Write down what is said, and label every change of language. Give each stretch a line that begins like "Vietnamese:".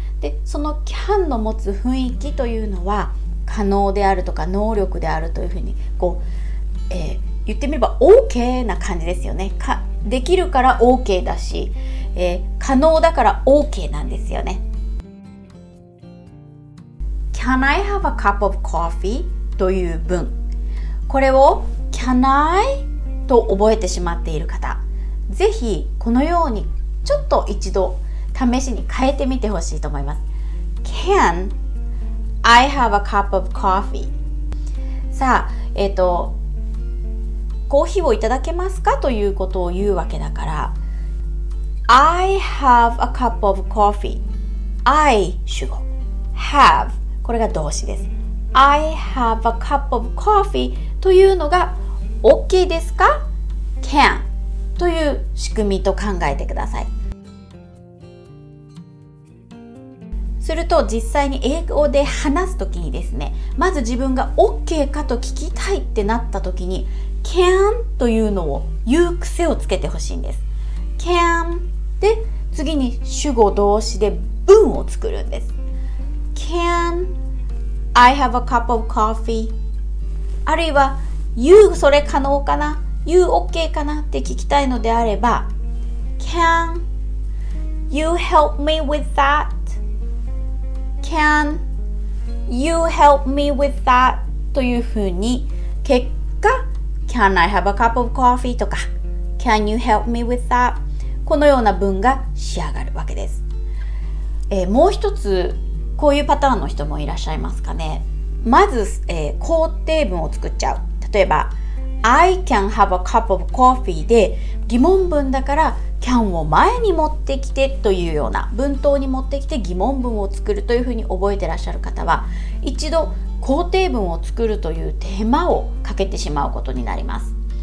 Japanese: で、その can の持つ雰囲気というのは可能であるとか能力であるというふうに、こう、言ってみれば OK な感じですよね。できるから OK だし、可能だから OK なんですよね。
English: Can I have a cup of coffee?
Japanese: という文、これを
English: Can I?
Japanese: と覚えてしまっている方、ぜひこのようにちょっと一度試しに変えてみてほしいと思います。
English: CanI have a cup of coffee.
Japanese: さあ、コーヒーをいただけますかということを言うわけだから、
English: I have a cup of coffee.
Japanese: I 主語、have これが動詞です。
English: I have a cup of coffee
Japanese: というのが OK ですか ？Can という仕組みと考えてください。すると実際に英語で話すときにですね、まず自分が OK かと聞きたいってなったときに Can というのを言う癖をつけてほしいんです。 Can で次に主語動詞で文を作るんです。
English: Can I have a cup of coffee?
Japanese: あるいは You それ可能かな、 You OK かなって聞きたいのであれば、
English: Can you help me with thatCan you help me with that?
Japanese: というふうに、結果
English: Can I have a cup of coffee?
Japanese: とか
English: Can you help me with that?
Japanese: このような文が仕上がるわけです。もう一つこういうパターンの人もいらっしゃいますかね。まず、肯定文を作っちゃう。例えば
English: I can have a cup of coffee
Japanese: で疑問文だから、can を前に持ってきてというような文頭に持ってきて疑問文を作るというふうに覚えてらっしゃる方は、一度肯定文を作るという手間をかけてしまうことになります。